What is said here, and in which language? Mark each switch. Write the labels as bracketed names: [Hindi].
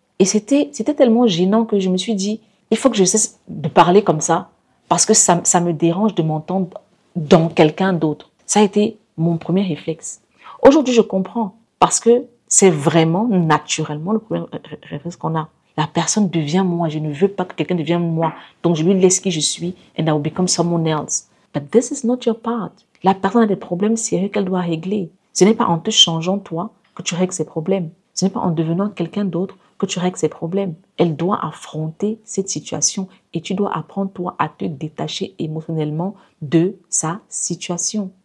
[French] Et c'était tellement gênant que je me suis dit, il faut que je cesse de parler comme ça parce que ça me dérange de m'entendre dans quelqu'un d'autre. Ça a été mon premier réflexe. Aujourd'hui, je comprends parce que c'est vraiment naturellement le premier réflexe qu'on a. La personne devient moi. Je ne veux pas que quelqu'un devienne moi. Donc, je lui laisse qui je suis. [English] And I will become someone else. But this is not your part. [French] La personne a des problèmes sérieux qu'elle doit régler. Ce n'est pas en te changeant toi que tu règles ses problèmes. Ce n'est pas en devenant quelqu'un d'autre que tu règles ses problèmes. Elle doit affronter cette situation. Et tu dois apprendre toi à te détacher émotionnellement de sa situation.